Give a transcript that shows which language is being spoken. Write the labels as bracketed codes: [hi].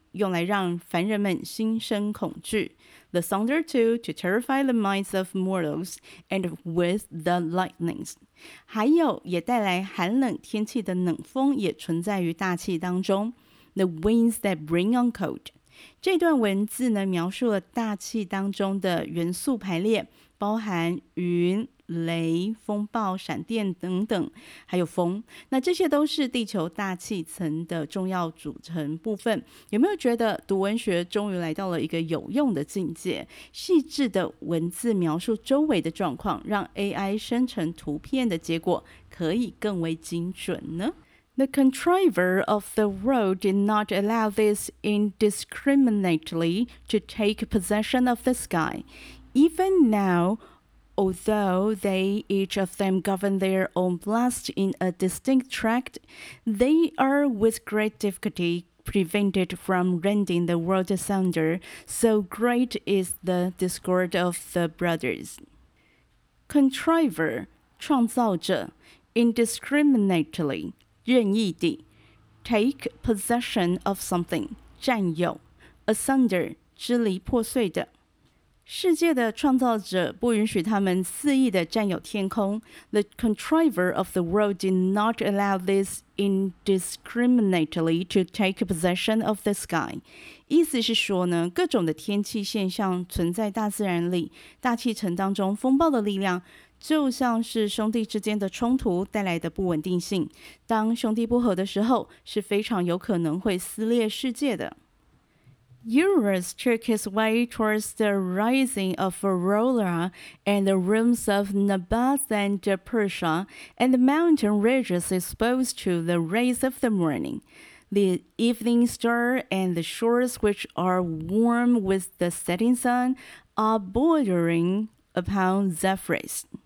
[zh] 用来让凡人们心生恐惧 [en] The thunder too to terrify the minds of mortals and with the lightnings [zh] 还有也带来寒冷天气的冷风也存在于大气当中 [en] The winds that bring on cold [zh] 这段文字呢描述了大气当中的元素排列包含云雷、风暴、闪电等等，还有风，那这些都是地球大气层的重要组成部分。有没有觉得读文学终于来到了一个有用的境界？细致的文字描述周围的状况，让 AI 生成图片的结果可以更为精准呢？ [en] The contriver of the world did not allow this indiscriminately to take possession of the sky. Even now, although they each of them govern their own blast in a distinct tract, they are with great difficulty prevented from rending the world asunder, so great is the discord of the brothers. Contriver, 创造者, indiscriminately, 任意地, take possession of something, 占有, asunder, 支离破碎的。 [zh] 世界的创造者不允许他们肆意地占有天空。 [en] The contriver of the world did not allow this indiscriminately to take possession of the sky. [zh] 意思是说呢，各种的天气现象存在大自然里，大气层当中风暴的力量就像是兄弟之间的冲突带来的不稳定性。当兄弟不和的时候，是非常有可能会撕裂世界的。 [en] Eurus took his way towards the rising of Aurora and the realms of Nabath and Persia and the mountain ridges exposed to the rays of the morning, the evening star and the shores which are warm with the setting sun are bordering upon Zephyrus.